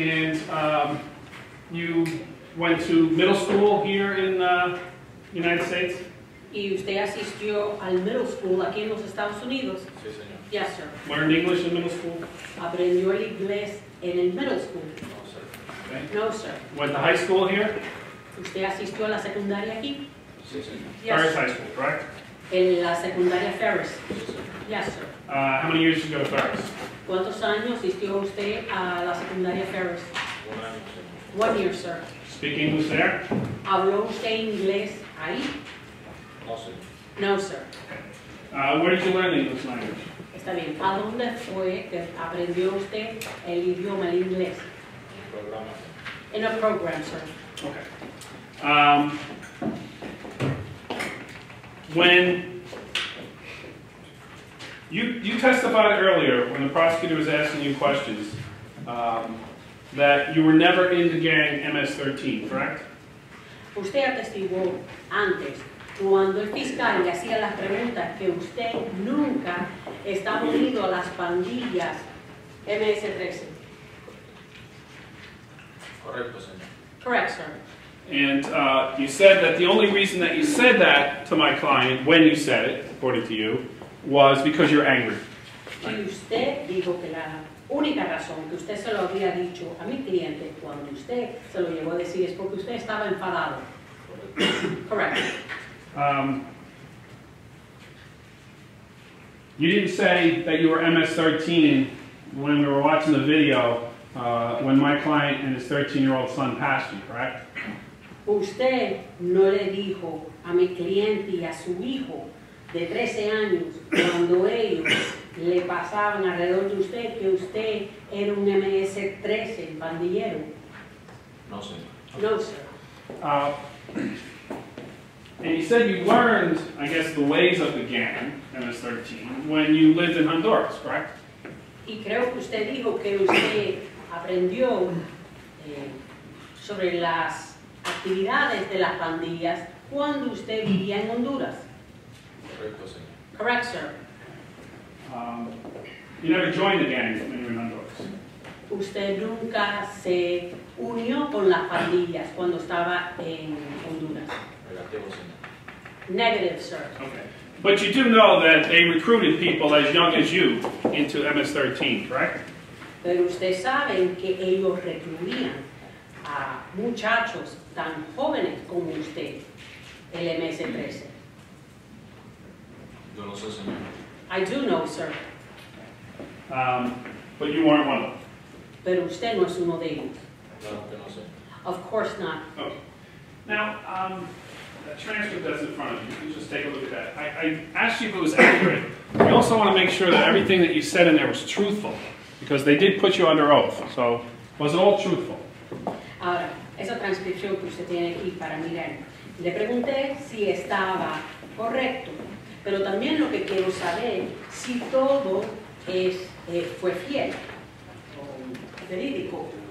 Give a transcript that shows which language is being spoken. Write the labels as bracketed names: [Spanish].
[English] And you went to middle school here in the United States? [Spanish] Y usted asistió al middle school aquí en los Estados Unidos? Sí, señor. [English] Yes, sir. Learned English in middle school? [Spanish] Aprendió el inglés en el middle school. [English] No, sir. Okay. No, sir. Went to high school here? [Spanish] Usted asistió a la secundaria aquí? Sí, señor. [English] Yes, Ferris High School, correct? [Spanish] En la secundaria Ferris. [English] Yes, sir. How many years did you go to Ferris? [Spanish] ¿Cuántos años asistió usted a la secundaria Ferris? [English] One year, sir. Speak English there? [Spanish] ¿Habló usted inglés ahí? [English] No, sir. No, sir. Where did you learn the English language? [Spanish] Está bien. ¿A dónde fue que aprendió usted el idioma, el inglés? [English] In a program. In a program, sir. Okay. When... You testified earlier when the prosecutor was asking you questions that you were never in the gang MS-13, correct? [Spanish] Usted atestiguó antes cuando el fiscal le hacía las preguntas que usted nunca estaba unido a las pandillas MS-13. Correcto, señor. [English] Correct, sir. And you said that the only reason that you said that to my client when you said it, according to you, was because you're angry. [Spanish] Y usted dijo que la única razón que usted se lo había dicho a mi cliente cuando usted se lo llevó a decir es porque usted estaba enfadado. [English] Correct. You didn't say that you were MS-13 when we were watching the video when my client and his 13-year-old son passed you, correct? [Spanish] Usted no le dijo a mi cliente y a su hijo de 13 años cuando ellos le pasaban alrededor de usted que usted era un MS-13 bandillero. No, señor. [English] No, sir. And you said you learned, I guess, the ways of the gang, MS-13, when you lived in Honduras, correct? [Spanish] Y creo que usted dijo que usted aprendió sobre las actividades de las pandillas cuando usted vivía en Honduras. Correcto, señor. [English] Correct, sir. You never joined the gang when you were in Honduras. [Spanish] Usted nunca se unió con las pandillas cuando estaba en Honduras. Negativo, señor. [English] Negative, sir. Okay. But you do know that they recruited people as young as you into MS-13, correct? [Spanish] Pero ustedes saben que ellos reclutían a muchachos tan jóvenes como usted, el MS-13. Yo no sé, señor. [English] I do know, sir. But you weren't one of them. [Spanish] Pero usted no es uno de ellos. No, yo no sé. [English] Of course not. Okay. Now, that transcript that's in front of you, you can just take a look at that. I asked you if it was accurate. We also want to make sure that everything that you said in there was truthful, because they did put you under oath. So, was it all truthful? [Spanish] Ahora, esa transcripción que usted tiene aquí para mirar, le pregunté si estaba correcto, pero también lo que quiero saber si todo es fue fiel o verídico.